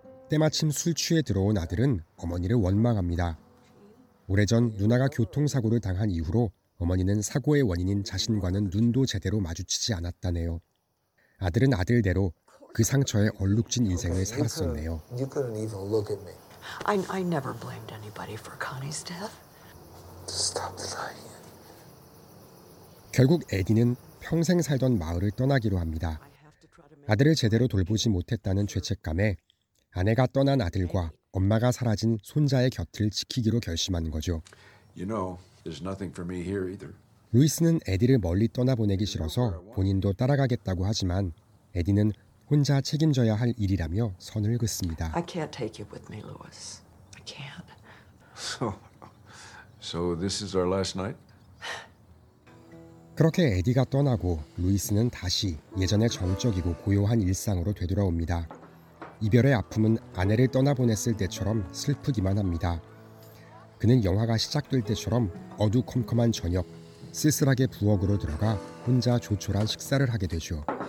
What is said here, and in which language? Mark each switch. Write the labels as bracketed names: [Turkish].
[Korean] 때마침 술 취해 들어온 아들은 어머니를 원망합니다. 오래전 누나가 교통사고를 당한 이후로 어머니는 사고의 원인인 자신과는 눈도 제대로 마주치지 않았다네요. 아들은 아들대로 그 상처에 얼룩진 인생을 살았었네요. [English] You couldn't even look at me. I never blamed anybody for Connie's death. Stop lying. [Korean] 결국 에디는 평생 살던 마을을 떠나기로 합니다. 아들을 제대로 돌보지 못했다는 죄책감에 아내가 떠난 아들과 엄마가 사라진 손자의 곁을 지키기로 결심한 거죠. [English] You know, there's nothing for me here either. [Korean] 루이스는 에디를 멀리 떠나보내기 싫어서 본인도 따라가겠다고 하지만 에디는 혼자 책임져야 할 일이라며 선을 긋습니다. [English] I can't take you with me, Louis. I can't. So this is our last night? [Korean] 그렇게 에디가 떠나고 루이스는 다시 예전의 정적이고 고요한 일상으로 되돌아옵니다. 이별의 아픔은 아내를 떠나보냈을 때처럼 슬프기만 합니다. 그는 영화가 시작될 때처럼 어두컴컴한 저녁, 쓸쓸하게 부엌으로 들어가 혼자 조촐한 식사를 하게 되죠.